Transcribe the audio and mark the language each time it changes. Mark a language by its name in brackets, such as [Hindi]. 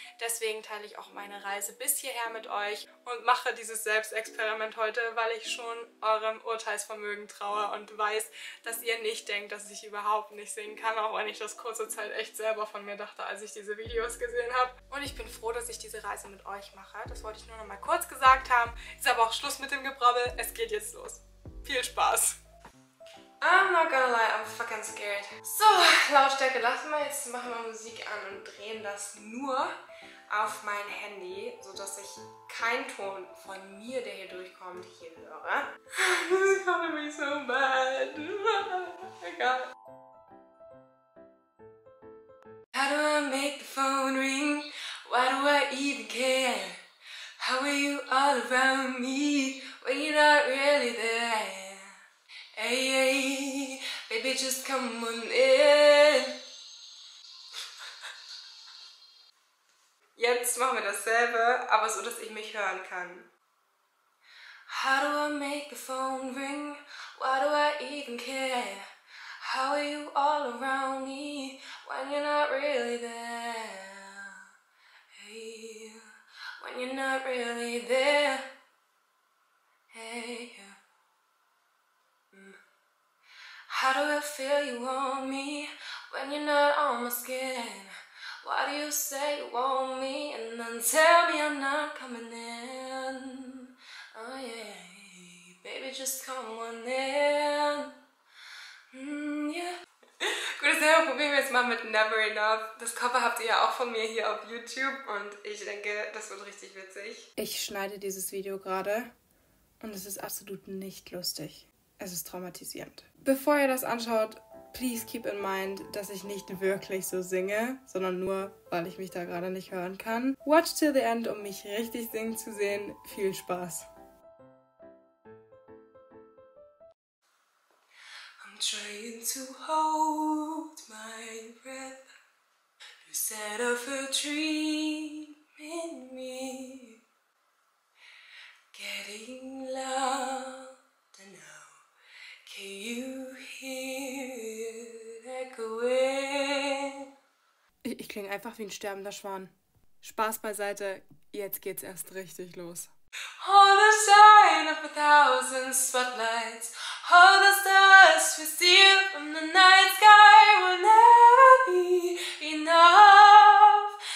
[German] Deswegen teile ich auch meine Reise bis hierher mit euch und mache dieses Selbstexperiment heute, weil ich schon eurem Urteilsvermögen traue und weiß, dass ihr nicht denkt, dass ich überhaupt nicht singen kann, auch wenn ich das kurze Zeit echt selber von mir dachte, als ich diese Videos gesehen habe. Und ich bin froh, dass ich diese Reise mit euch mache. Das wollte ich nur noch mal kurz gesagt haben. Ist aber auch Schluss mit dem Gebrabbel. Es geht jetzt los. Viel Spaß! [English] I'm not gonna lie, I'm fucking scared. [German] So, Lautstärke lassen wir. Jetzt machen wir Musik an und drehen das nur auf mein Handy, sodass ich keinen Ton von mir, der hier durchkommt, hier höre. [English] This is gonna be so bad. Egal. How do I make the phone ring? Why do I even care? How are you all around me when you're not really there? Hey, hey, baby, just come on in. [German] Jetzt machen wir dasselbe, aber so, dass ich mich hören kann. [English] How do I make the phone ring? Why do I even care? How are you all around me when you're not really there. Hey, when you're not really there. Hey, yeah. How do I feel you want me when you're not on my skin? Why do you say you want me and then tell me I'm not coming in? Oh yeah, baby, just come on in. [German] Ja, probieren wir jetzt mal mit Never Enough. Das Cover habt ihr ja auch von mir hier auf YouTube und ich denke, das wird richtig witzig. Ich schneide dieses Video gerade und es ist absolut nicht lustig. Es ist traumatisierend. Bevor ihr das anschaut, [English] please keep in mind, [German] dass ich nicht wirklich so singe, sondern nur, weil ich mich da gerade nicht hören kann. [English] Watch till the end, [German] um mich richtig singen zu sehen. Viel Spaß! [English] Trying to hold my breath. You set off a dream in me. Getting louder now. Can you hear it echoing? [German] Ich klinge einfach wie ein sterbender Schwan. Spaß beiseite, jetzt geht's erst richtig los. [English] All the shine of a thousand spotlights. All the stars we steal from the night sky will never be enough.